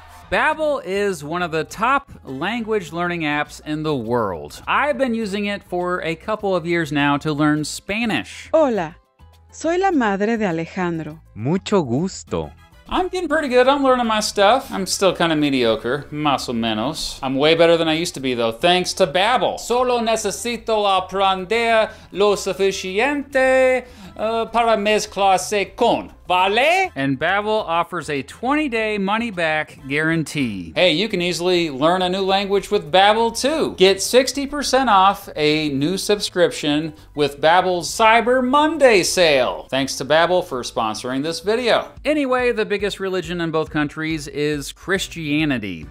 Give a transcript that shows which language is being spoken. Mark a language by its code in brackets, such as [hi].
[en] Babbel is one of the top language learning apps in the world. I've been using it for a couple of years now to learn Spanish. [es] Hola, soy la madre de Alejandro. Mucho gusto. [en] I'm getting pretty good. I'm learning my stuff. I'm still kind of mediocre, [es] más o menos. [en] I'm way better than I used to be, though, thanks to Babbel. [es] Solo necesito aprender lo suficiente para mezclarse con. Vale? [en] And Babbel offers a 20-day money-back guarantee. Hey, you can easily learn a new language with Babbel, too. Get 60% off a new subscription with Babbel's Cyber Monday sale. Thanks to Babbel for sponsoring this video. Anyway, the biggest religion in both countries is Christianity.